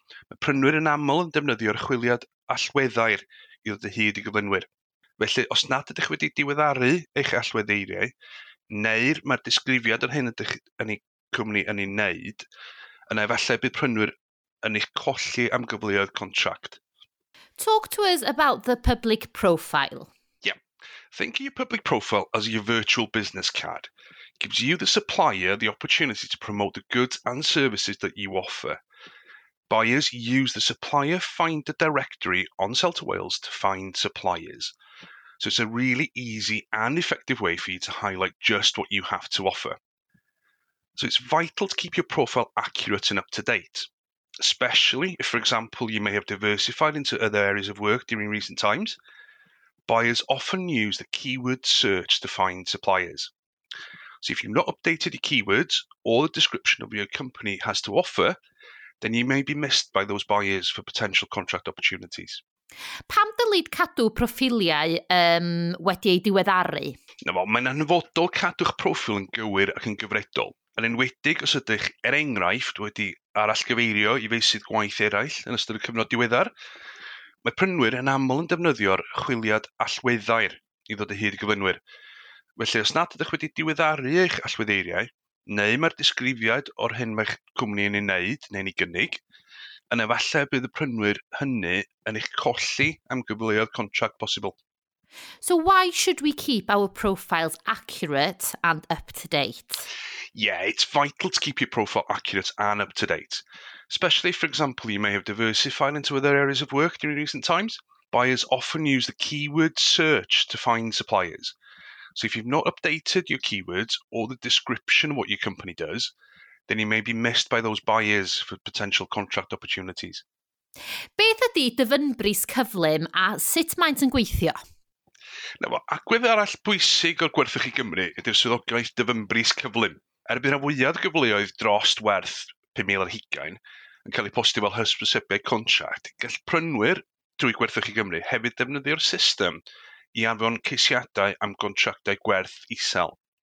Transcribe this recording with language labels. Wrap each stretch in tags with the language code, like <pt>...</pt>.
<cy>Mae prynwyr yn aml yn defnyddio'r chwiliad allweddair i ddod y hyd i gyflenwyr. Felly, os nad ydych wedi diweddaru eich allweddeiriau, neu'r mae'r disgrifiad yr hyn ydych yn ei cwmni yn ei wneud, yna efallai bydd prynwyr yn eich colli am gyfleoedd contract.</cy> <en>Talk to us about the public profile. Yeah. Think of your public profile as your virtual business card. It gives you, the supplier, the opportunity to promote the goods and services that you offer. Buyers use the supplier finder directory on Sell to Wales to find suppliers. So it's a really easy and effective way for you to highlight just what you have to offer. So it's vital to keep your profile accurate and up to date. Especially if, for example, you may have diversified into other areas of work during recent times, buyers often use the keyword search to find suppliers. So if you've not updated your keywords or the description of your company has to offer, then you may be missed by those buyers for potential contract opportunities.</en> <cy>Pam ddylid cadw profiliau wedi ei diweddaru? Mae'n anfodol cadw'ch profil yn gywir ac yn gyfredol. Yn enwedig os ydych enghraifft wedi arallgyfeirio i feysydd gwaith eraill yn ystod y cyfnod diweddar, mae prynwyr yn aml yn defnyddio'r chwiliad allweddair i ddod y hyd i gyflenwyr. Felly, os nad ydych wedi diweddaru eich allweddeiriau, neu mae'r disgrifiad o'r hyn mae'r cwmni yn ei wneud neu'n ei gynnig, yn efallai bydd y prynwyr hynny yn eich colli am gyfleoedd contract posibl.</cy> <en>So why should we keep our profiles accurate and up to date? Yeah, it's vital to keep your profile accurate and up to date. Especially, for example, you may have diversified into other areas of work during recent times. Buyers often use the keyword search to find suppliers. So if you've not updated your keywords or the description of what your company does, then you may be missed by those buyers for potential contract opportunities.</en> <cy>Beth ydy dyfynbris cyflym a sut maent yn gweithio? Agwedd arall bwysig o'r Gwerthwch i Gymru ydy'r swyddogaeth dyfynbris cyflym. Erbyn y fwyaf gyfleoedd drost werth 5,000 ar hugain yn cael eu postio fel hysbysebu contract, gall prynwyr drwy Gwerthwch i Gymru hefyd defnyddio'r system i anfon ceisiadau am gontractau gwerth isel.</cy>